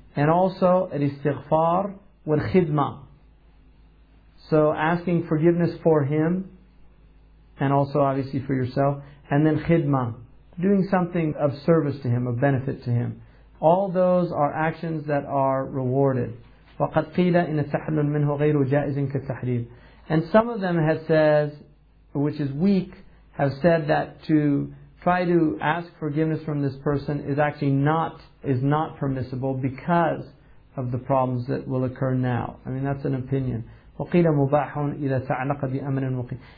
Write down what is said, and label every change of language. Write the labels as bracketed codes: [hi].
[en] And also, [ar] الاستغفار والخدمة. [en] So asking forgiveness for him, and also obviously for yourself, and then khidma, doing something of service to him, of benefit to him. All those are actions that are rewarded. [ar] وَقَدْ قِيلَ إِنَ التَّحْلُلُ مِنْهُ غَيْرُ جَائِزٍ كَالتَّحْرِيرُ. [en] And some of them have said, which is weak, have said that to try to ask forgiveness from this person is not permissible because of the problems that will occur now. I mean, that's an opinion. [ar] وَقِيلَ مُبَاحٌ إِذَا تَعْلَقَ بِأَمْرٍ مُقِيمٍ.